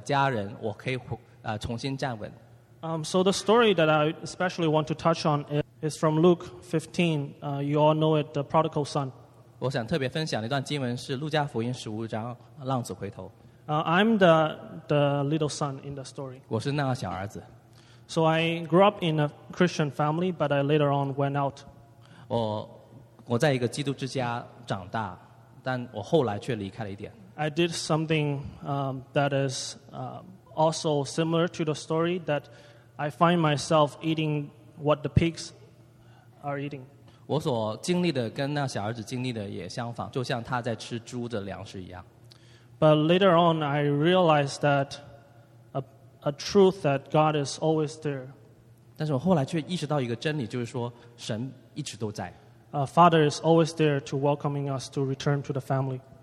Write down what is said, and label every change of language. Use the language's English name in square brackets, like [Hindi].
[Chinese] 但过后感谢神还有我的家人，我可以重新站稳。 [English] So the story that I especially want to touch on is from Luke 15. You all know it, the prodigal son. [Chinese] 我想特别分享的一段经文是路加福音15章浪子回头。 [English] I'm the little son in the story. [Chinese] 我是那个小儿子。 [English] So I grew up in a Christian family, but I later on went out. [Chinese] 我在一个基督之家长大。 [English] I did something that is also similar to the story that I find myself eating what the pigs are eating. [Chinese] 我所经历的跟那小儿子经历的也相仿, 就像他在吃猪的粮食一样。 [English] But later on, I realized that a truth that God is always there. [Chinese] 但是我后来却意识到一个真理, 就是说神一直都在。 [English] Father is always there to welcoming us to return to the family.